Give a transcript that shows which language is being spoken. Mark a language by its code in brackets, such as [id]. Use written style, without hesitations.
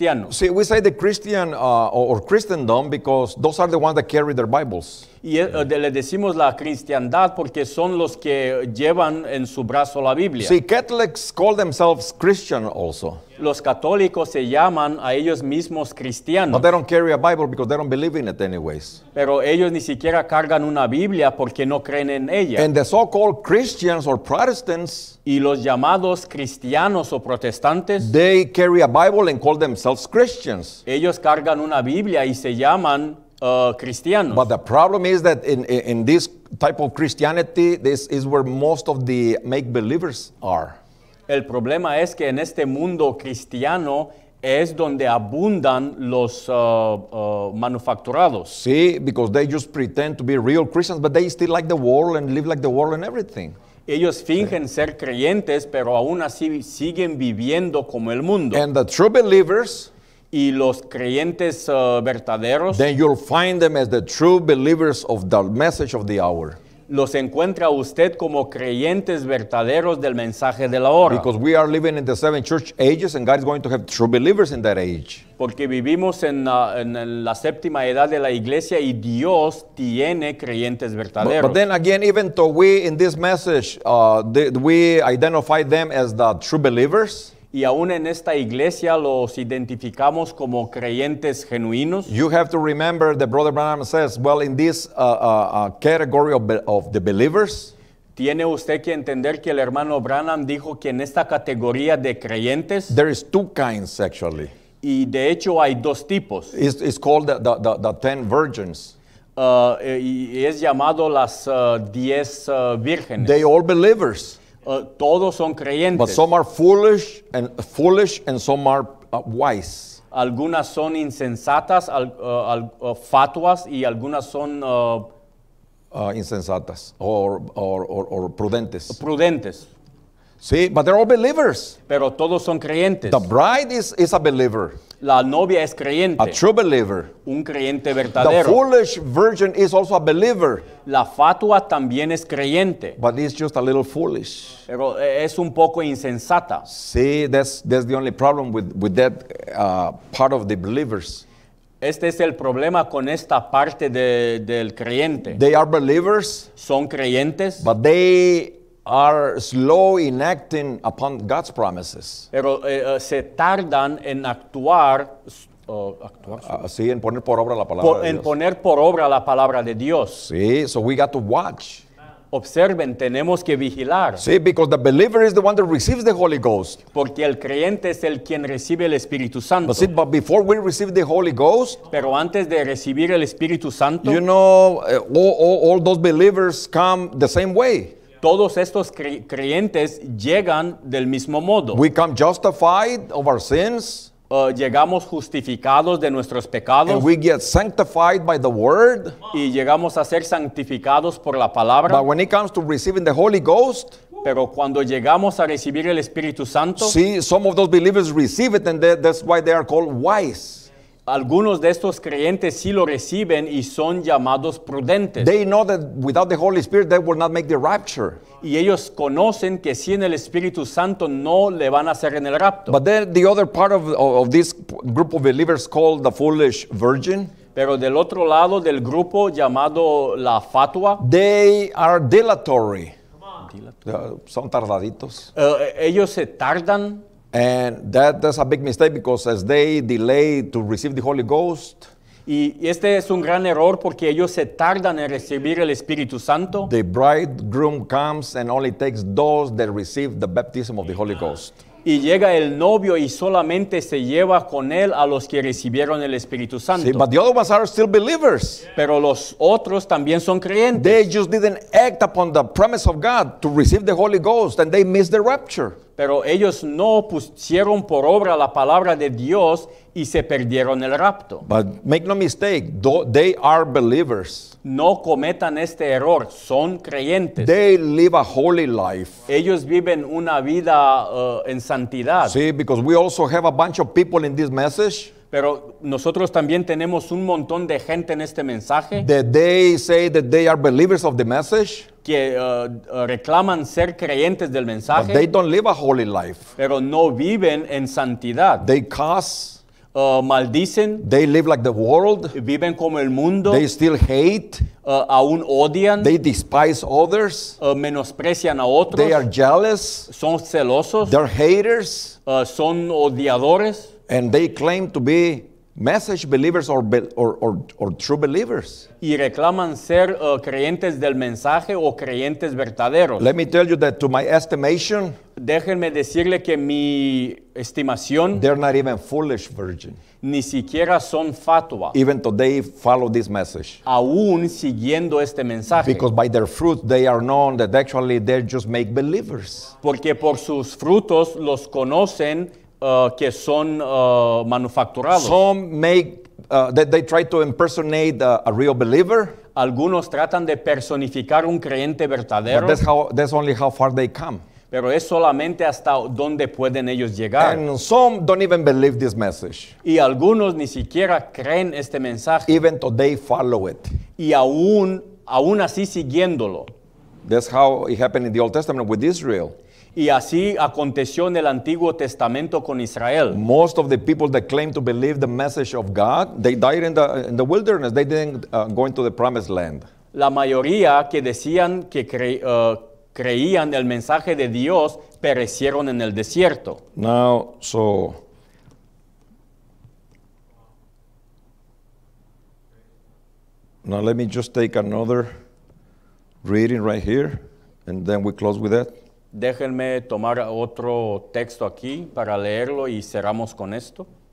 [en] See, we say the Christian or Christendom because those are the ones that carry their Bibles. [es] Y le decimos la cristiandad porque son los que llevan en su brazo la Biblia. [en] See, Catholics call themselves Christian also. [es] Los católicos se llaman a ellos mismos cristianos. [en] But they don't carry a Bible because they don't believe in it anyways. [es] Pero ellos ni siquiera cargan una Biblia porque no creen en ella. [en] And the so-called Christians or Protestants. [es] Y los llamados cristianos o protestantes. [en] They carry a Bible and call themselves Christians. [es] Ellos cargan una Biblia y se llaman cristianos. [en] But the problem is that in this type of Christianity, this is where most of the make believers are. [es] El problema es que en este mundo cristiano es donde abundan los manufacturados. [en] Sí, because they just pretend to be real Christians, but they still like the world and live like the world and everything. [es] Ellos fingen ser creyentes, pero aún así siguen viviendo como el mundo. [en] And the true believers. [es] Y los creyentes verdaderos. [en] Then you'll find them as the true believers of the message of the hour. [es] los encuentra usted como creyentes verdaderos del mensaje de la hora. [en] Because we are living in the seven church ages and God is going to have true believers in that age. [es] Porque vivimos en la séptima edad de la iglesia y Dios tiene creyentes verdaderos. [en] But then again, even though we in this message, we identify them as the true believers. [es] Y aún en esta iglesia los identificamos como creyentes genuinos. [en] You have to remember that Brother Branham says, well, in this category of the believers. [es] Tiene usted que entender que el hermano Branham dijo que en esta categoría de creyentes. [en] There is two kinds, actually. [es] Y de hecho hay dos tipos. [en] It's called the ten virgins. [es] Y es llamado las diez vírgenes. [en] They all believers. [es] Todos son creyentes. [en] But some are foolish and some are wise. [es] Algunas son insensatas, fatuas, y algunas son insensatas or prudentes. Prudentes. [en] See, but they're all believers. [es] Pero todos son creyentes. [en] The bride is a believer. [es] La novia es creyente. [en] A true believer. [es] Un creyente verdadero. [en] The foolish virgin is also a believer. [es] La fatua también es creyente. [en] But it's just a little foolish. [es] Pero es un poco insensata. [en] See, that's the only problem with that part of the believers. [es] Este es el problema con esta parte del creyente. [en] They are believers. [es] Son creyentes. [en] But they are slow in acting upon God's promises. [es] Pero se tardan en actuar. Sí, en poner por obra la palabra de Dios. En poner por obra la palabra de Dios. [en] Sí, so we got to watch. [es] Observen, tenemos que vigilar. [en] Sí, because the believer is the one that receives the Holy Ghost. [es] Porque el creyente es el quien recibe el Espíritu Santo. [en] But see, but before we receive the Holy Ghost, [es] pero antes de recibir el Espíritu Santo, [en] you know, all those believers come the same way. [es] Todos estos creyentes llegan del mismo modo. [en] We come justified of our sins. [es] Llegamos justificados de nuestros pecados. [en] And we get sanctified by the word. [es] Y llegamos a ser santificados por la palabra. [en] But when it comes to receiving the Holy Ghost. [es] Pero cuando llegamos a recibir el Espíritu Santo. [en] See, some of those believers receive it and that's why they are called wise. [es] Algunos de estos creyentes sí lo reciben y son llamados prudentes. [en] They know that without the Holy Spirit they will not make the rapture. [es] Y ellos conocen que sin el Espíritu Santo no le van a hacer en el rapto. [en] But then the other part of this group of believers called the foolish virgin. [es] Pero del otro lado del grupo llamado la fatua. [en] They are dilatory. [es] Son tardaditos. Ellos se tardan. [en] And that's a big mistake because as they delay to receive the Holy Ghost, [es] y este es un gran error porque ellos se tardan en recibir el Espíritu Santo. [en] The bridegroom comes and only takes those that receive the baptism of the Holy Ghost. [es] Y llega el novio y solamente se lleva con él a los que recibieron el Espíritu Santo. [en] See, but the other ones are still believers. [es] Pero los otros también son creyentes. [en] They just didn't act upon the promise of God to receive the Holy Ghost and they missed the rapture. [es] Pero ellos no pusieron por obra la palabra de Dios y se perdieron el rapto. [en] But make no mistake, they are believers. [es] No cometan este error, son creyentes. [en] They live a holy life. [es] Ellos viven una vida en santidad. [en] Sí, because we also have a bunch of people in this message. [es] Pero nosotros también tenemos un montón de gente en este mensaje. [en] That they say that they are believers of the message. [es] Que reclaman ser creyentes del mensaje. [en] But they don't live a holy life. [es] Pero no viven en santidad. [en] They curse. [es] Maldicen. [en] They live like the world. [es] Viven como el mundo. [en] They still hate. [es] Aún odian. [en] They despise others. [es] Menosprecian a otros. [en] They are jealous. [es] Son celosos. [en] They're haters. [es] Son odiadores. [en] And they claim to be message believers or true believers. [es] Y reclaman ser creyentes del mensaje o creyentes verdaderos. [en] Let me tell you that to my estimation. [es] Déjenme decirle que mi estimación. [en] They're not even foolish virgin. [es] Ni siquiera son fatua. [en] Even though they follow this message. [es] Aún siguiendo este mensaje. [en] Because by their fruit they are known that actually they just make believers. [es] Porque por sus frutos los conocen. Que son manufacturados. [en] Some make they try to impersonate a real believer. [es] Algunos tratan de personificar un creyente verdadero. [en] But that's only how far they come. [es] Pero es solamente hasta donde pueden ellos llegar. [en] And some don't even believe this message. [es] Y algunos ni siquiera creen este mensaje. [en] Even though they follow it. [es] Y aún así siguiéndolo. [en] That's how it happened in the Old Testament with Israel. [es] Y así aconteció en el Antiguo Testamento con Israel. [en] Most of the people that claim to believe the message of God, they died in the wilderness. They didn't go into the promised land. [es] La mayoría que decían que creían el mensaje de Dios perecieron en el desierto. [en] Now, so now let me just take another reading right here, and then we close with that. [es] Déjenme tomar otro texto aquí para leerlo y cerramos con esto.